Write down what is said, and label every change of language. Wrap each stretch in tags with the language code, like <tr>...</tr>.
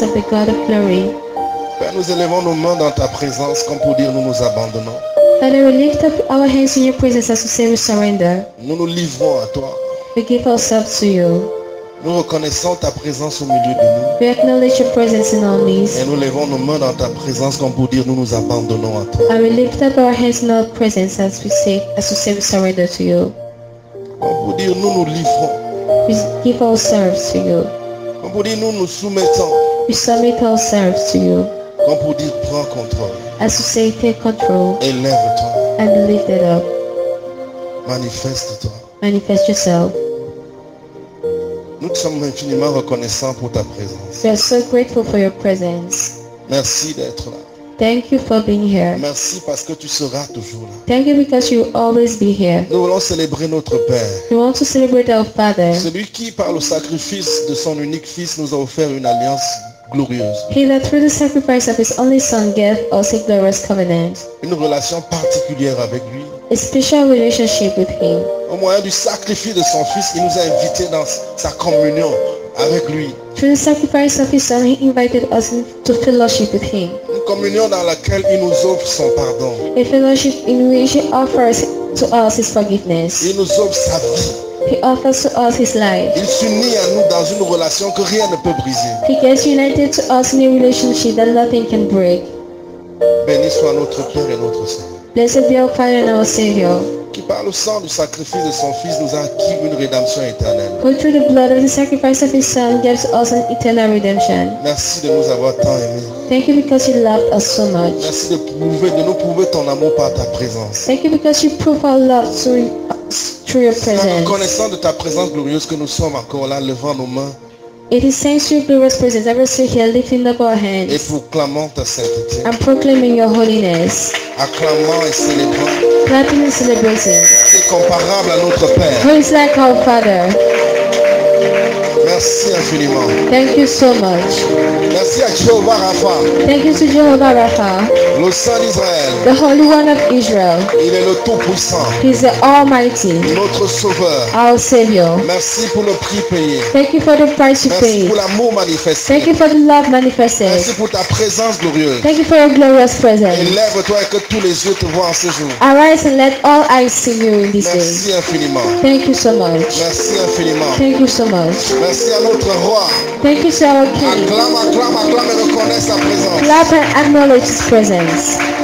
<fr>Père, nous élevons nos mains dans ta présence comme pour dire nous nous abandonnons.</fr> <en>Father, we lift up our hands in your presence as to say we surrender.</en> <fr>Nous nous livrons à toi.</fr> <en>We give ourselves to you.</en> <fr>Nous reconnaissons ta présence au milieu de nous.</fr> <en>We acknowledge your presence in our midst.</en> <fr>Et nous levons nos mains dans ta présence comme pour dire nous nous abandonnons à toi.</fr> <en>And we lift up our hands in our presence as to say we surrender to you.</en> <fr>Comme pour dire nous nous livrons.</fr> <en>We give ourselves to you.</en> <fr>Comme pour dire nous nous soumettons.</fr> <en>We submit ourselves to you.</en> <fr>Comme pour dire prends contrôle.</fr> <en>As to say take control.</en> <fr>Élève-toi.</fr> <en>And lift it up.</en> <fr>Manifeste-toi.</fr> <en>Manifest yourself.</en> <fr>Nous sommes infiniment reconnaissants pour ta présence.</fr> <en>We are so grateful for your presence.</en> <fr>Merci d'être là.</fr> <en>Thank you for being here.</en> <fr>Merci parce que tu seras toujours là.</fr> <en>Thank you because you will always be here.</en> <fr>Nous voulons célébrer notre Père.</fr> <en>We want to celebrate our Father.</en> <fr>Celui qui, par le sacrifice de son unique Fils, nous a offert une alliance glorieuse.</fr> <en>He that through the sacrifice of his only Son gave us a glorious covenant.</en> <fr>Une relation particulière avec lui.</fr> <en>A special relationship with him.</en> <fr>Au moyen du sacrifice de son Fils, il nous a invités dans sa communion avec lui.</fr> <en>Through the sacrifice of his Son, he invited us to fellowship with him.</en> <fr>Une communion dans laquelle il nous offre son pardon.</fr> <en>A fellowship in which he offers to us his forgiveness.</en> <fr>Il nous offre sa vie.</fr> <en>He offers to us his life.</en> <fr>Il s'unit à nous dans une relation que rien ne peut briser.</fr> <en>He gets united to us in a relationship that nothing can break.</en> <fr>Béni soit notre Père et notre Seigneur.</fr> <en>Blessed be our Father and our Savior.</en> <fr>Qui par le sang du sacrifice de son Fils nous a acquis une rédemption éternelle.</fr> <en>Who through the blood of the sacrifice of his Son gives us an eternal redemption.</en> <fr>Merci de nous avoir tant aimés.</fr> <en>Thank you because you loved us so much.</en> <fr>Merci de nous prouver ton amour par ta présence.</fr> <en>Thank you because you prove our love through your presence.</en> <fr>C'est en reconnaissant de ta présence glorieuse que nous sommes encore là, levant nos mains.</fr> <en>It is thanks to your glorious presence that we are here lifting up our hands.</en> <fr>Et proclamant ta sainteté.</fr> <en>And proclaiming your holiness.</en> <fr>Acclamant et célébrant.</fr> <en>Clapping and celebrating.</en> <fr>Et comparable à notre Père.</fr> <en>Who is like our Father.</en> <fr>Merci infiniment.</fr> <en>Thank you so much.</en> <fr>Merci à Jehovah Rapha.</fr> <en>Thank you to Jehovah Rapha.</en> <fr>Le Saint d'Israël.</fr> <en>The Holy One of Israel.</en> <fr>Il est le Tout-Puissant.</fr> <en>He is the Almighty.</en> <fr>Notre Sauveur.</fr> <en>Our Savior.</en> <fr>Merci pour le prix payé.</fr> <en>Thank you for the price you</en> <fr>Merci</fr> <en>paid.</en> <fr>Merci pour l'amour manifesté.</fr> <en>Thank you for the love manifested.</en> <fr>Merci pour ta présence glorieuse.</fr> <en>Thank you for your glorious presence.</en> <fr>Élève-toi et que tous les yeux te voient en ce jour.</fr> <en>Arise and let all eyes see you in this</en> <fr>Merci</fr> <en>day.</en> <fr>Merci infiniment.</fr> <en>Thank you so much.</en> <fr>Merci infiniment.</fr> <en>Thank you so much.</en> <fr>Merci à notre Roi.</fr> <en>Thank you to our King.</en> <fr>Acclame et reconnaisse sa présence.</fr> <en>Clap and acknowledge his presence.</en>